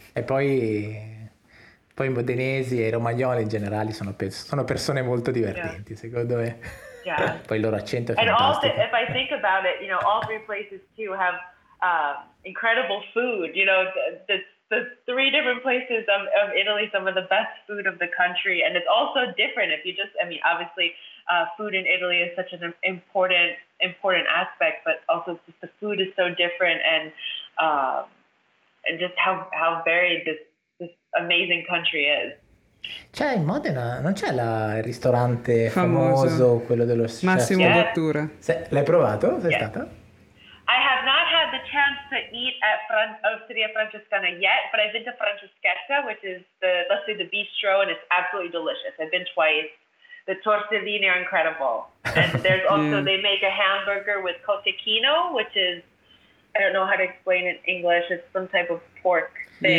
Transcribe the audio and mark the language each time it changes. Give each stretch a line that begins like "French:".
Italian: E poi i modenesi e i romagnoli in generale sono persone molto divertenti, yeah, secondo me.
English: Yeah.
Italian: Poi il loro accento è
English: and
Italian: fantastico.
English: And also, if I think about it, you know, all three places too have incredible food. You know, the three different places of Italy, some of the best food of the country. And it's also different if you just, I mean, obviously... food in Italy is such an important aspect, but also just the food is so different and just how varied this amazing country is.
Italian: C'è in Modena, non c'è il ristorante famoso, quello dello chef? Massimo Bottura. L'hai provato? Sei stata?
English: I have not had the chance to eat at Osteria Francescana yet, but I've been to Francescetta, which is the bistro, and it's absolutely delicious. I've been twice. The tortellini are incredible. And there's also, they make a hamburger with cotechino, which is, I don't know how to explain it in English, it's some type of pork thing.